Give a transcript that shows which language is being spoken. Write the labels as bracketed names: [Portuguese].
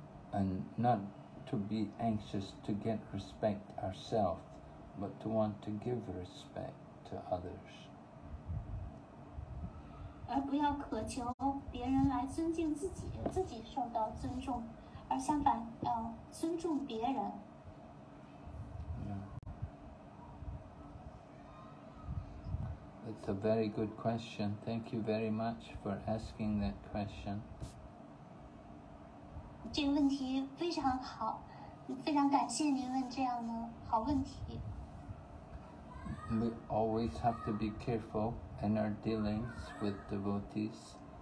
[English] And not to be anxious to get respect ourselves, but to want to give respect to others. [Chinese] 而不要渴求别人来尊敬自己，自己受到尊重，而相反，尊重别人。 [English] The It's a very good question. Thank you very much for asking that question. [Chinese] 这个问题非常好，非常感谢您问这样的好问题。 [English] We always have to be careful in our dealings with devotees.